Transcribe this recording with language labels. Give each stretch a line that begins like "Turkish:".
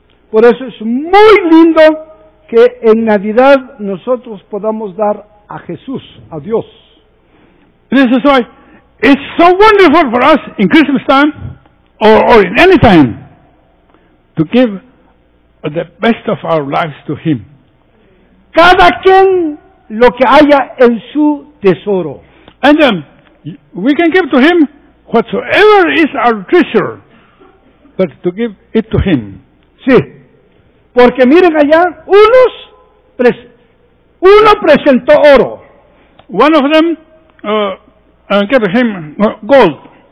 Spanish: Por eso es muy lindo que en Navidad nosotros podamos dar a Jesús, a Dios.
English: This is why it's so wonderful for us in Christmas time or in any time to give the best of our lives to Him.
Spanish: Cada quien lo que haya en su tesoro.
English: And then we can give to Him whatsoever is our treasure, but to give it to Him.
Spanish: Sí. Porque miren allá, uno presentó oro.
English: One of them gave him gold.